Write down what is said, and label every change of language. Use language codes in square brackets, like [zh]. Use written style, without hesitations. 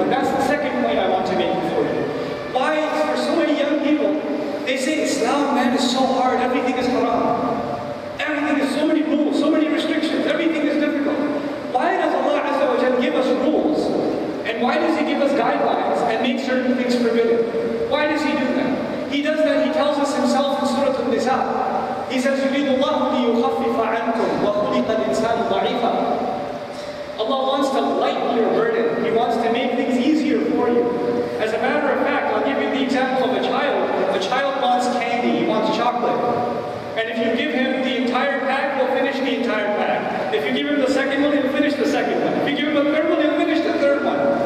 [en] And that's the second point I want to make for you. Why, for so many young people, they say, Islam, man, is so hard, everything is haram. Everything is so many rules, so many restrictions, everything is difficult. Why does Allah Azza wa Jalla give us rules? And why does He give us guidelines and make certain things forbidden? Why does He do that? He does that, He tells us Himself in Surah An-Nisa. He says, [ar] يُرِيدُ اللَّهُ لِيُخَفِّفَ عَنْكُمْ وَخُلِقَ الْإِنسَانُ ضَعِيفًا. [en] Allah wants to lighten your burden. He wants to make things easier for you. As a matter of fact, I'll give you the example of a child. A child wants candy, he wants chocolate. And if you give him the entire pack, he'll finish the entire pack. If you give him the second one, he'll finish the second one. If you give him the third one, he'll finish the third one.